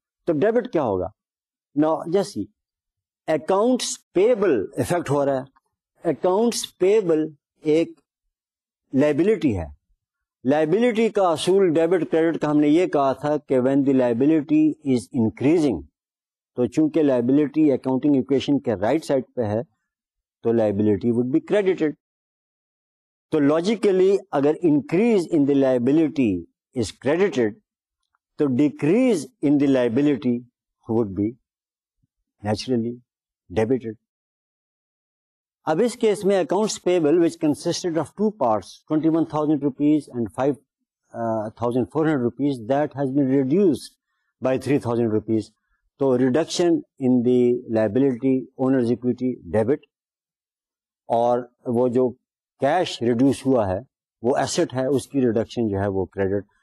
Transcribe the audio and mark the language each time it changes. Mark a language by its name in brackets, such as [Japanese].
[Urdu] تو ڈیبٹ کیا ہوگا؟ نو جیسی اکاؤنٹس پیبل افیکٹ ہو رہا ہے, اکاؤنٹس پیبل ایک لائبلٹی ہے, لائبلٹی کا اصول ڈیبٹ کریڈٹ کا ہم نے یہ کہا تھا کہ [English] when the liability is increasing, [Urdu] تو چونکہ لائبلٹی اکاؤنٹنگ ایکویشن کے رائٹ سائڈ پہ ہے تو [English] Liability would be credited. تو logically اگر increase in the liability is credited, تو decrease in the liability would be naturally debited. [Urdu] اب اس کیس میں [English] accounts payable which consisted of two parts, 21,000 rupees and 5,400 rupees, that has been reduced by 3,000 rupees, تو reduction in the liability owners equity debit, [Urdu] اور وہ جو cash reduce ہوا ہے وہ asset ہے, اس کی ریڈکشن جو ہے وہ کریڈٹ.